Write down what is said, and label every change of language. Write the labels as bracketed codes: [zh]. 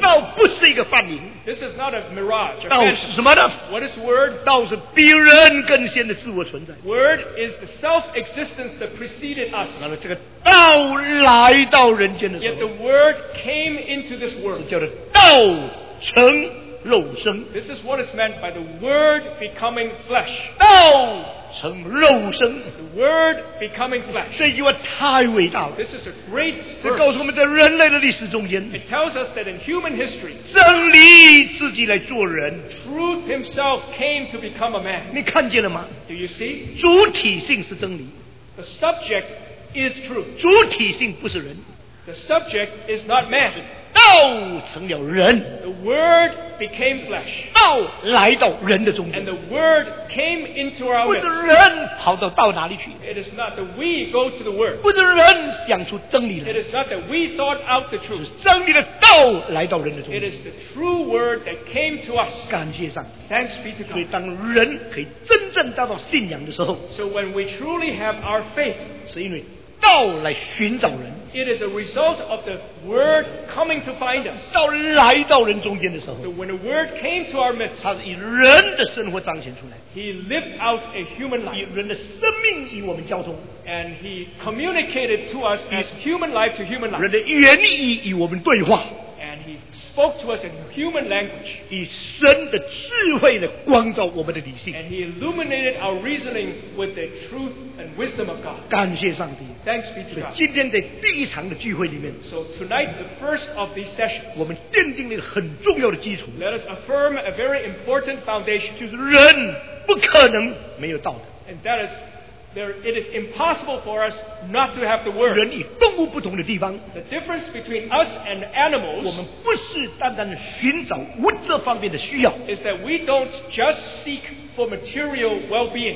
[zh] 道不是一个幻影。 [en] This is not a mirage. [zh] 道是什么呢？ [en] What is word? [zh] 道是比人更先的自我存在。 [en] Word is the self-existence that preceded us. [zh] 那么这个道来到人间的时候。 [en] Yet the word came into this world. [zh] 叫做道成肉身。 [en] This is what is meant by the word becoming flesh. [zh] 道成肉身。 [en] The word becoming flesh. [zh] 这句话太伟大了。 [en] This is a great verse. [zh] 这告诉我们在人类的历史中间。 [en] It tells us that in human history. [zh] 真理自己来做人。 [en] Truth himself came to become a man. [zh] 你看见了吗？ [en] Do you see? [zh] 主体性是真理。 [en] The subject is truth. [zh] 主体性不是人。 [en] The subject is not man. [zh] 道成了人。 [en] The word became flesh. [zh] 道来到人的中间。 [en] And the word came into our midst. [zh] 不是人跑到道哪里去。 [en] It is not that we go to the word. [zh] 不是人想出真理来。 [en] It is not that we thought out the truth. [zh] 是真理的道来到人的中间。 [en] It is the true word that came to us. [zh] 感谢上帝。 [en] Thanks be to God. [zh] 所以当人可以真正达到信仰的时候。 [en] So when we truly have our faith. [zh] 是因为道来寻找人。 [en] It is a result of the word coming to find us. [zh] 道来到人中间的时候。 [en] So when the word came to our midst. [zh] 他是以人的生活彰显出来。 [en] He lived out a human life. [zh] 以人的生命与我们交通。 [en] And he communicated to us as human life to human life. [zh] 人的原意与我们对话。 [en] And he spoke to us in human language. [zh] 以神的智慧来光照我们的理性。 [en] And he illuminated our reasoning with the truth and wisdom of God. [zh] 感谢上帝。 [en] Thanks be to God. [zh] 所以今天在第一堂的聚会里面。 [en] So tonight, the first of these sessions. [zh] 我们奠定了一个很重要的基础。 [en] Let us affirm a very important foundation. [zh] 就是人不可能没有道的。 [en] And that is, it is impossible for us not to have the word. [zh] 人与动物不同的地方。 [en] The difference between us and animals. [zh] 我们不是单单的寻找物质方面的需要。 [en] Is that we don't just seek for material well-being.